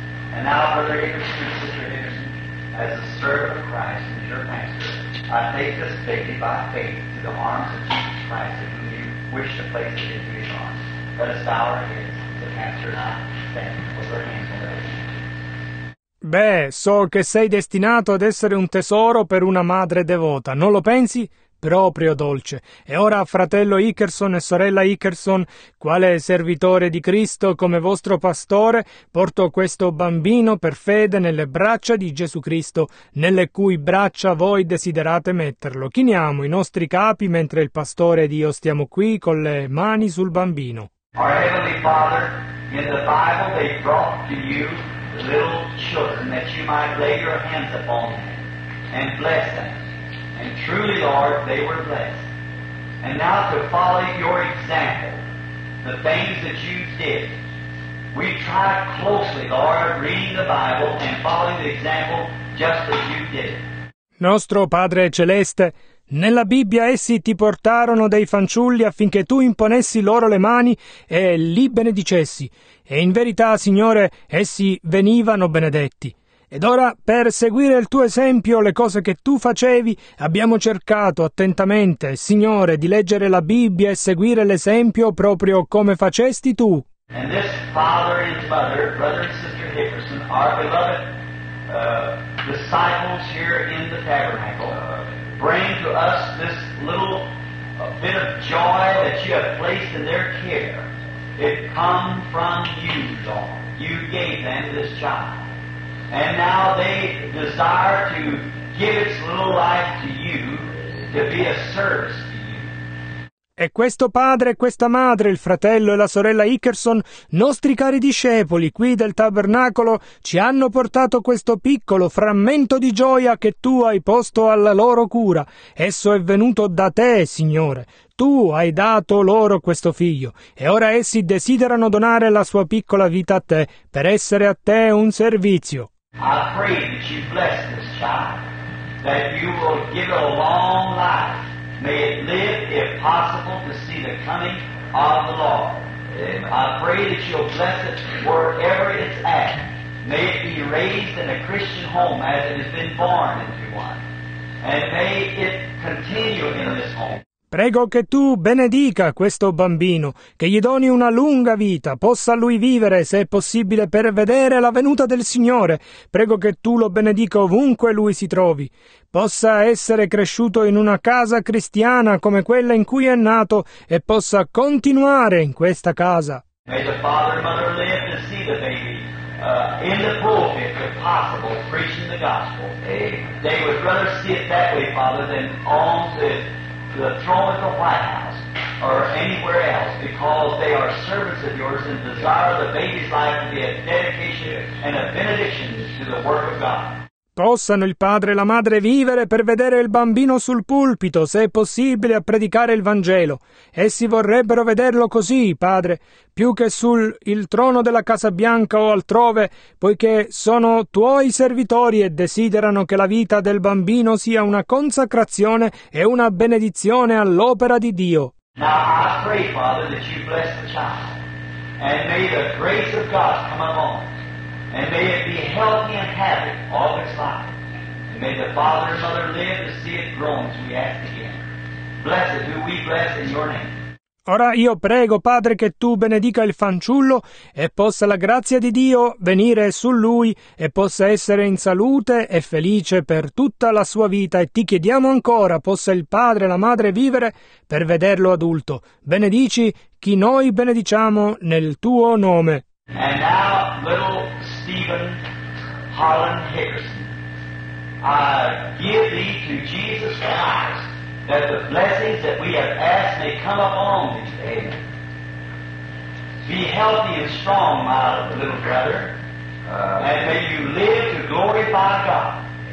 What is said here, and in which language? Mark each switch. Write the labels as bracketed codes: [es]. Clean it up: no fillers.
[en] And now, Brother Hickerson and Sister Hickerson, as a servant of Christ and your pastor, I take this baby by faith to the arms of Jesus Christ, if you wish to place it into his arms. Let us bow our heads, the pastor and I stand with our hands on the baby. [it] Beh, so che sei destinato ad essere un tesoro per una madre devota, non lo pensi? Proprio dolce. E ora, fratello Hickerson e sorella Hickerson, quale servitore di Cristo, come vostro pastore, porto questo bambino per fede nelle braccia di Gesù Cristo, nelle cui braccia voi desiderate metterlo. Chiniamo i nostri capi mentre il pastore ed io stiamo qui con le mani sul bambino. [en] Our Heavenly Father, in the Bible they brought to you little children that you might lay your hands upon them and bless them. And truly, Lord, they were blessed. And now to follow your example, the things that you did, we try closely, Lord, reading the Bible and following the example just as you did. [it] Nostro Padre Celeste, nella Bibbia essi ti portarono dei fanciulli affinché tu imponessi loro le mani e li benedicessi. E in verità, Signore, essi venivano benedetti. Ed ora, per seguire il tuo esempio, le cose che tu facevi, abbiamo cercato attentamente, Signore, di leggere la Bibbia e seguire l'esempio proprio come facesti tu. [en] And this father and mother, brother and sister Hickerson, our beloved disciples here in the tabernacle, bring to us this little bit of joy that you have placed in their care. It come from you, Lord. You gave them this child. And now they desire to give its little life to you, to be a service to you. [it] E questo padre e questa madre, il fratello e la sorella Hickerson, nostri cari discepoli qui del tabernacolo, ci hanno portato questo piccolo frammento di gioia che tu hai posto alla loro cura. Esso è venuto da te, Signore. Tu hai dato loro questo figlio, e ora essi desiderano donare la sua piccola vita a te, per essere a te un servizio. [en] I pray that you bless this child, that you will give it a long life. May it live, if possible, to see the coming of the Lord. I pray that you'll bless it wherever it's at. May it be raised in a Christian home as it has been born into one. And may it continue in this home. [it] Prego che tu benedica questo bambino, che gli doni una lunga vita, possa lui vivere, se è possibile, per vedere la venuta del Signore. Prego che tu lo benedica ovunque lui si trovi. Possa essere cresciuto in una casa cristiana come quella in cui è nato e possa continuare in questa casa. [en] May the father and mother live to see the baby in the pulpit, if possible, preaching the gospel. They would rather see it that way, Father, than on the throne of the White House or anywhere else, because they are servants of yours and desire the baby's life to be a dedication and a benediction to the work of God. [it] Possano il padre e la madre vivere per vedere il bambino sul pulpito, se è possibile, a predicare il Vangelo. Essi vorrebbero vederlo così, padre, più che sul il trono della Casa Bianca o altrove, poiché sono tuoi servitori e desiderano che la vita del bambino sia una consacrazione e una benedizione all'opera di Dio. [en] Now I pray, Father, that you bless the child, and may the grace of God come along. And may it be healthy and happy all its life. And may the father and mother live to see it grown, as we ask again. Bless it, who we bless in your name. [it] Ora io prego, Padre, che tu benedica il fanciullo e possa la grazia di Dio venire su lui e possa essere in salute e felice per tutta la sua vita. E ti chiediamo ancora, possa il padre e la madre vivere per vederlo adulto. Benedici chi noi benediciamo nel tuo nome. [en] And now, little Stephen Holland Hickerson, I give thee to Jesus Christ, that the blessings that we have asked may come upon thee. Amen. Be healthy and strong, my little brother, and may you live to glorify God.